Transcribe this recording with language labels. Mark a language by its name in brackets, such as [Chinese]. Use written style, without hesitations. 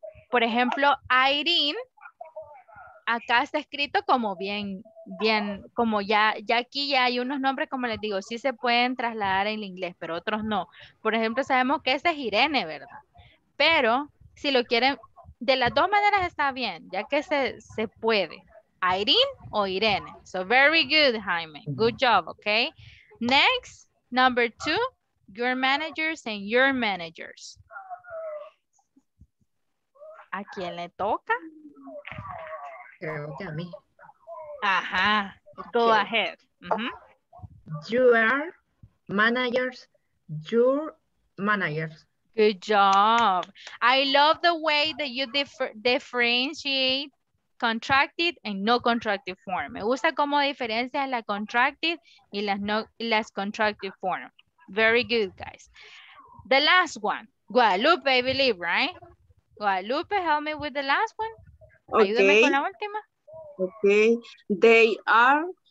[Spanish] Por ejemplo, Irene, acá está escrito como bien, bien, como ya, ya aquí ya hay unos nombres, como les digo, sí se pueden trasladar en inglés, pero otros no. Por ejemplo, sabemos que ese es Irene, ¿verdad? Pero si lo quieren, de las dos maneras está bien, ya que se puede. [English] Irene o Irene. So very good, Jaime. Good job, okay? Next, number two, your managers and your managers. [Spanish] ¿A quién le toca? Creo que a mí. [English] Ajá, go ahead. Mm-hmm. Your managers. Good job. I love the way that you differentiate contracted and no contracted form. [Spanish] Me gusta cómo diferencias la contracted y las contracted form. [English] Very good, guys. The last one. Guadalupe, I believe, right? Guadalupe, help me with the last one. Okay. [Spanish] Ayúdame con la última. [English] Okay. They are